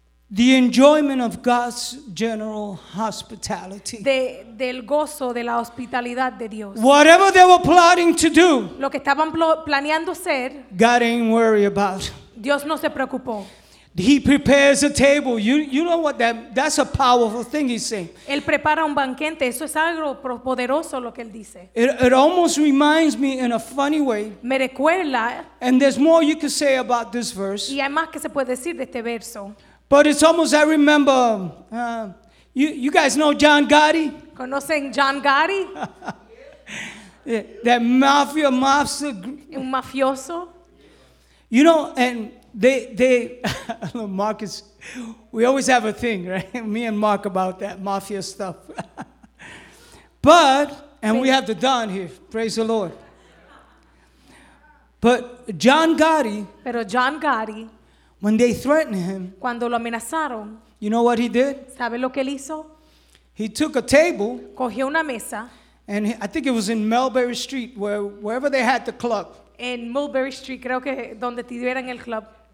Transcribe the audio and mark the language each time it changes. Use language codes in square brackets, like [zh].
[en] The enjoyment of God's general hospitality. [es] Del gozo de la hospitalidad de Dios. [en] Whatever they were plotting to do. [es] Lo que estaban planeando hacer. [en] God ain't worried about. [es] Dios no se preocupó. [en] He prepares a table. You know what that's a powerful thing he's saying. [es] Él prepara un banquete. Eso es algo poderoso lo que él dice. [en] It almost reminds me in a funny way. [es] Me recuerda. [en] And there's more you could say about this verse. [es] Y hay más que se puede decir de este verso. [en] But it's almost, I remember, you guys know John Gotti? [es] ¿Conocen John Gotti? [en] That mafia mobster. [es] Un mafioso. [en] You know, and they Marcus, we always have a thing, right? Me and Mark about that mafia stuff. But, and we have the Don here, praise the Lord. But John Gotti. [es] Pero John Gotti. [en] When they threatened him. [es] Cuando lo amenazaron. [en] You know what he did? [es] ¿Sabe lo que él hizo? [en] He took a table. [es] Cogió una mesa. [en] And I think it was in Mulberry Street, wherever they had the club. [es] En Mulberry Street, creo que donde tuvieran el club.